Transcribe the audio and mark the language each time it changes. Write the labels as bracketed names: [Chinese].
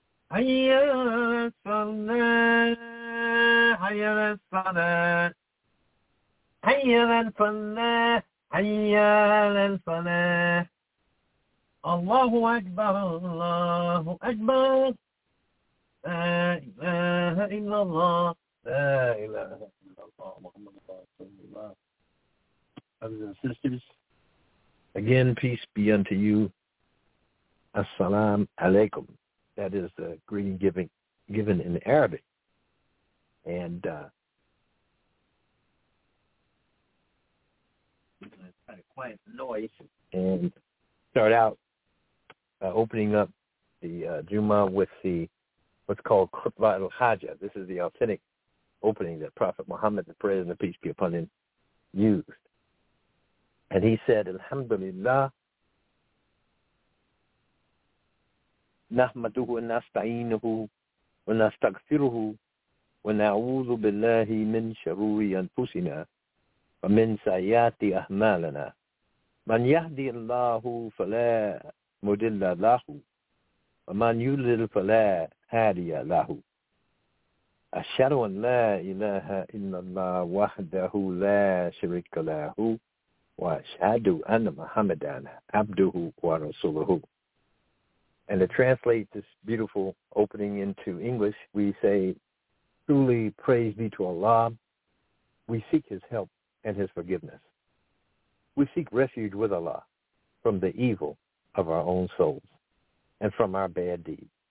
[Arabic] حي الصلاة حي الصلاة حي للفلاح حي للفلاح الله أكبر الله أكبر لا إله إلا الله لا إله إلا الله محمد رسول الله. [English] Brothers and sisters, again, peace be unto you. Assalamu alaikum. That is the greeting given in Arabic. And kind of quiet noise and start out opening up the Juma with the what's called Khutbah al-Hajja. This is the authentic opening that Prophet Muhammad, the praise and the peace be upon him, used. [Arabic] And he said, Alhamdulillah, Nahmaduhu wa nasta'inuhu wa nastaghfiruhu wa na'udhu billahi min sharuri anfusina ومن سيئات أعمالنا من يهدي الله فلا مضل له ومن يضلل فلا هادي له أشهد أن لا إله إلا الله وحده لا شريك له وأشهد أن محمدا عبده ورسوله. [English] And to translate this beautiful opening into English, we say, truly praise be to Allah. We seek his help and his forgiveness. We seek refuge with Allah from the evil of our own souls and from our bad deeds.